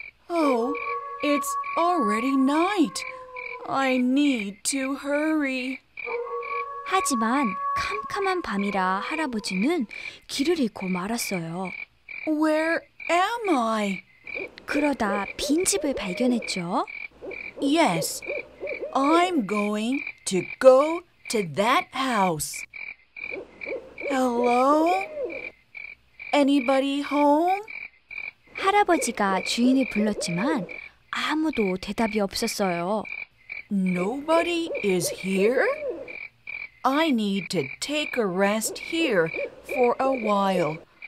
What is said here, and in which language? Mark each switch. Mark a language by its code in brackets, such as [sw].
[en] Oh, it's already night. I need to hurry. [ko] 하지만 캄캄한 밤이라 할아버지는 길을 잃고 말았어요. [en] Where am I? [ko] 그러다 빈집을 발견했죠. [en] Yes, I'm going to go to that house. Hello? Anybody home? [ko] 할아버지가 주인을 불렀지만 아무도 대답이 없었어요. [en] Nobody is here? I need to take a rest here for a while.